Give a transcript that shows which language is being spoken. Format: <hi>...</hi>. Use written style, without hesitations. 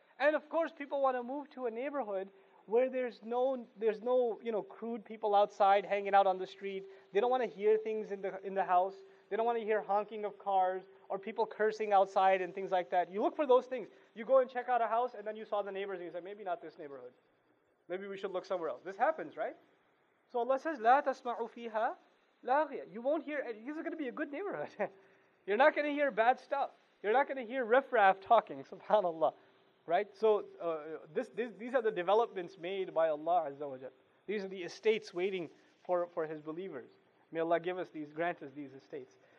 <en>And of course, people want to move to a neighborhood where there's no you know, crude people outside hanging out on the street. They don't want to hear things in the house. They don't want to hear honking of cars or people cursing outside and things like that. You look for those things. You go and check out a house and then you saw the neighbors and you say, maybe not this neighborhood. Maybe we should look somewhere else. This happens, right? So Allah says,</en> <ar>لَا تَسْمَعُ فِيهَا لَاغِيَةً.</ar> <en>You won't hear, this is going to be a good neighborhood. You're not going to hear bad stuff. You're not going to hear riffraff talking, subhanAllah. Right? So these are the developments made by Allah Azza wa Jal. These are the estates waiting for His believers. May Allah give us these, grant us these estates.</en>